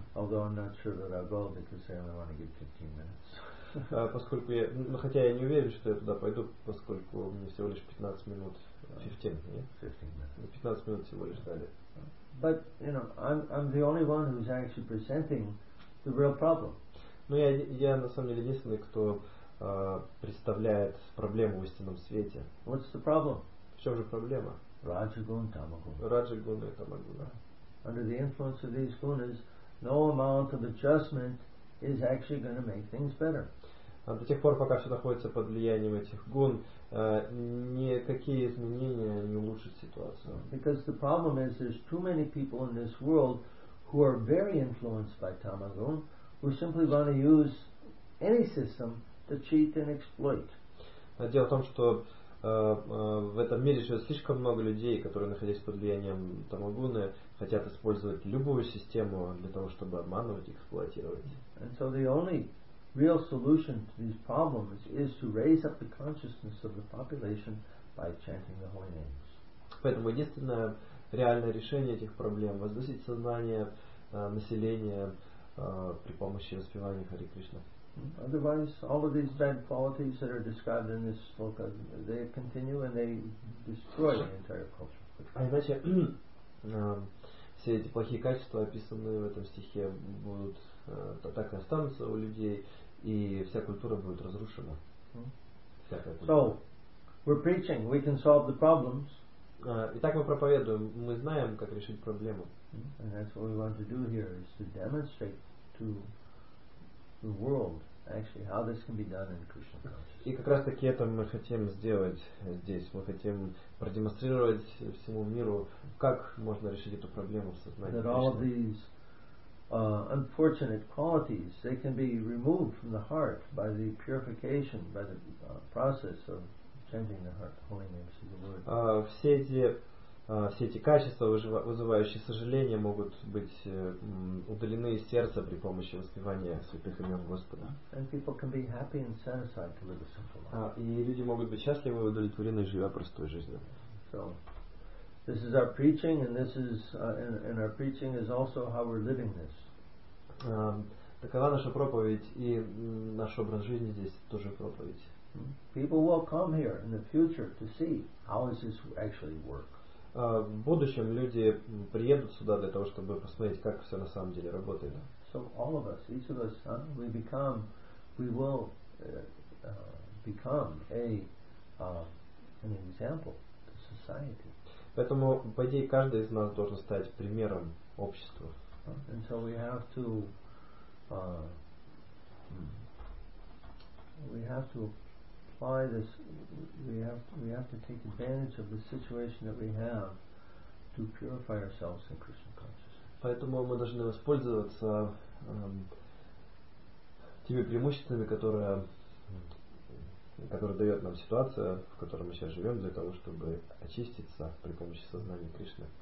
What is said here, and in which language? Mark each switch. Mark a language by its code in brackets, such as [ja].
[en] Although I'm not sure that I will, because I only want to give 15 minutes. [ru] Хотя я не уверен, что я туда пойду, поскольку мне всего лишь 15 минут. 15 минут всего лишь дали. [en] But you know, I'm the only one who's actually presenting the real problem. [ru] Но я на самом деле единственный, кто представляет проблему в истинном свете. [en] What's the problem? [ru] В чем же проблема? Раджагун, тамагун. Раджагун и тамагун. [en] Under the influence of these gunas, no amount of adjustment is actually going to make things better. [ru] До тех пор, пока все находится под влиянием этих гун, никакие изменения не улучшат ситуацию. [en] Because the problem is there's too many people in this world who are very influenced by tamagun, who simply want to use any system to cheat and exploit. [ru] Дело в том, что в этом мире живет слишком много людей, которые находились под влиянием тамагуны, хотят использовать любую систему для того, чтобы обманывать и эксплуатировать. [en] And so the only real solution to these problems is to raise up the consciousness of the population by chanting the holy names. [ru] Поэтому единственное реальное решение этих проблем — возвысить сознание населения при помощи распевания Хари Кришна. [en] Otherwise, all of these bad qualities that are described in this sloka, they continue and they destroy the entire culture. [ru] А иначе все эти плохие качества, описанные в этом стихе, будут так и останутся у людей, и вся культура будет разрушена. [en] So, we're preaching, we can solve the problems. [ru] Итак, мы проповедуем, мы знаем, как решить проблему. [en] And that's what we want to do here, is to demonstrate to the world actually how this can be done in Krishna consciousness. [ru] И как раз таки это мы хотим сделать здесь. Мы хотим продемонстрировать всему миру, как можно решить эту проблему в сознании Кришны. [en] That all of these unfortunate qualities, they can be removed from the heart by the purification, by the process of chanting the heart, holy names of the Lord. [ru] Все эти качества, вызывающие сожаление, могут быть удалены из сердца при помощи воспевания святых имен Господа. [en] And people can be happy and satisfied to live a simple life. [ru] И люди могут быть счастливы и удовлетворены, живя простой жизнью. [en] So, this is our preaching, and this is and our preaching is also how we're living this. [ru] Такова наша проповедь, и наш образ жизни здесь тоже проповедь. [en] People will come here in the future to see how does this actually work. [ru] В будущем люди приедут сюда для того, чтобы посмотреть, как все на самом деле работает. [en] So all of us, each of us, we become, we will become a an example to society. [ru] Поэтому, по идее, каждый из нас должен стать примером обществу. [en] And so we have to take advantage of the situation that we have to purify ourselves in Krishna consciousness. [ru] Поэтому мы должны воспользоваться теми преимуществами, которые дает нам ситуация, в которой мы сейчас живем, для того, чтобы очиститься при помощи сознания Кришны.